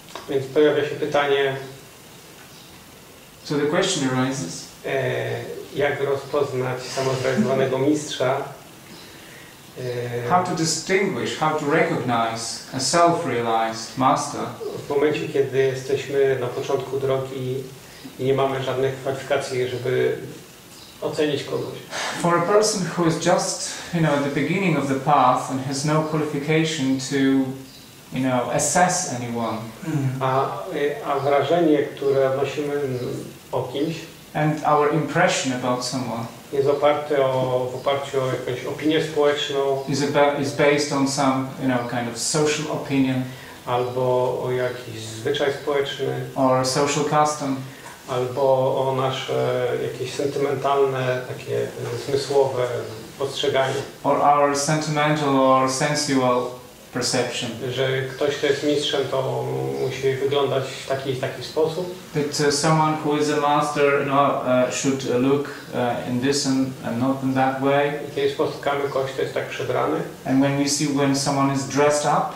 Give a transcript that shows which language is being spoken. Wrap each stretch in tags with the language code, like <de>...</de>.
<pl>Więc pojawia się pytanie.</pl> <en>So the question arises.</en> <pl>Jak rozpoznać samozrealizowanego mistrza?</pl> <en>How to distinguish, how to recognize a self-realized master?</en> <pl>W momencie, kiedy jesteśmy na początku drogi i nie mamy żadnych kwalifikacji, żeby ocenić kogoś.</pl> <en>For a person who is just, you know, at the beginning of the path and has no qualification to, you know, assess anyone.</en> <pl>A wrażenie, które nosimy o kimś.</pl> <en>And our impression about someone.</en> <pl>Jest oparte o, w oparciu o jakąś opinię społeczną.</pl> <en>Is based on some, you know, kind of social opinion.</en> <pl>Albo o jakiś zwyczaj społeczny.</pl> <en>Or a social custom.</en> <pl>Albo o nasze jakieś sentymentalne, takie zmysłowe postrzeganie.</pl> <en>Or our sentimental or sensual perception.</en> <pl>Że ktoś, kto jest mistrzem, to musi wyglądać w taki i taki sposób.</pl> <en>That someone who is a master should look in this and not in that way.</en> <pl>I kiedy spotkamy kogoś, kto jest tak przebrany.</pl> <en>And when we see when someone is dressed up,</en>